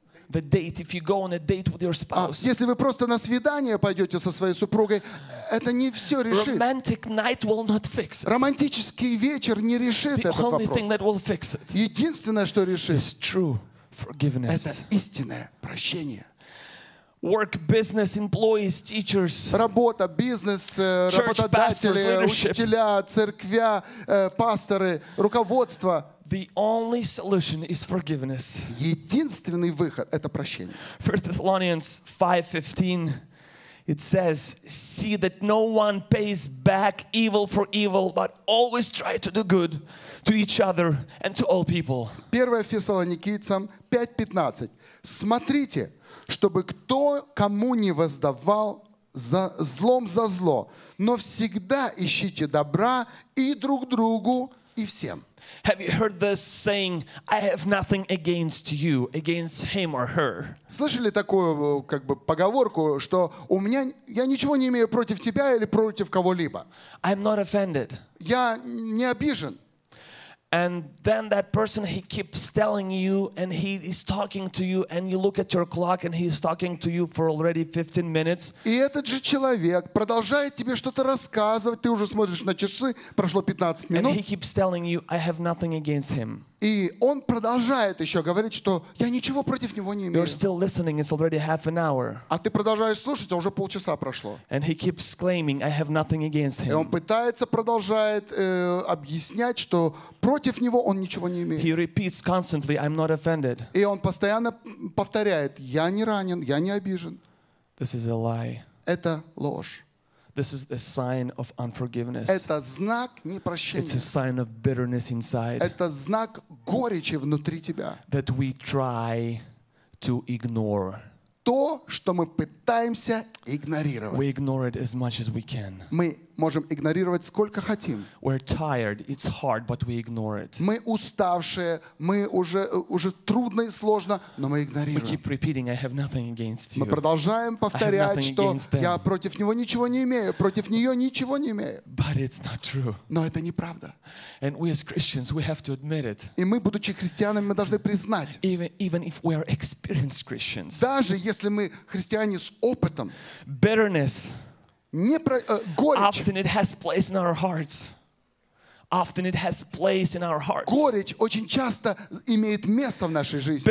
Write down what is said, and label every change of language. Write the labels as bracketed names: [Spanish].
[English] The date, if you go on a date with your spouse. [Russian] Если вы просто на свидание пойдете со своей супругой, это не все решит. [English] Romantic night will not fix it. [Russian] Романтический вечер не решит этот вопрос. [English] The only thing that will fix it. [Russian] Единственное, что решит. [English] Is true forgiveness. [Russian] Это истинное прощение. [English] Work, business, employees, teachers. [Russian] Работа, бизнес, работодатели, учителя, церквя, пасторы, руководство. [English] The only solution is forgiveness. [Russian] Единственный выход — это прощение. [English] 1 Thessalonians 5:15, it says, "See that no one pays back evil for evil, but always try to do good to each other and to all people." [Russian] 1 Фессалоникийцам 5:15. Смотрите, чтобы кто кому не воздавал за злом за зло, но всегда ищите добра и друг другу и всем. [English] Have you heard this saying, I have nothing against you, against him or her? [Russian] Слышали такую как бы поговорку, что у меня я ничего не имею против тебя или против кого-либо. [English] I'm not offended. [Russian] Я не обижен. [English] And then that person, he keeps telling you, and he is talking to you, and you look at your clock, and he's talking to you for already 15 minutes. [Russian] И этот же человек продолжает тебе что-то рассказывать, ты уже смотришь на часы, прошло 15 минут. [English] And he keeps telling you, I have nothing against him. [Russian] И он продолжает еще говорить, что я ничего против него не имею. [English] You're still listening, it's already half an hour. [Russian] А ты продолжаешь слушать, а уже полчаса прошло. [English] And he keeps claiming, I have nothing against him. [Russian] И он пытается, продолжает объяснять, что против него он ничего не имеет. [English] He repeats constantly, I'm not offended. [Russian] И он постоянно повторяет, я не ранен, я не обижен. [English] This is a lie. [Russian] Это ложь. [English] This is a sign of unforgiveness. [Russian] Это знак непрощения. [English] It's a sign of bitterness inside. [Russian] Это знак горечи внутри тебя. [English] That we try to ignore. [Russian] То, что мы пытаемся игнорировать. [English] We ignore it as much as we can. [Russian] Мы можем игнорировать сколько хотим. [English] We're tired, it's hard, but we ignore it. [Russian] Мы уставшие, мы уже трудно и сложно, но мы игнорируем. [English] We keep repeating, I have nothing against you. [Russian] Мы продолжаем повторять, что я против него ничего не имею, против нее ничего не имею. [English] But it's not true. [Russian] Но это неправда. [English] And we as Christians, we have to admit it. [Russian] И мы, будучи христианами, мы должны признать. [English] Even if we are experienced Christians. [Russian] Даже если мы христиане с опытом. [English] Bitterness. [Russian] Горечь. [English] Often it has place in our hearts. Often it has place in our hearts. [Russian] Горечь очень часто имеет место в нашей жизни.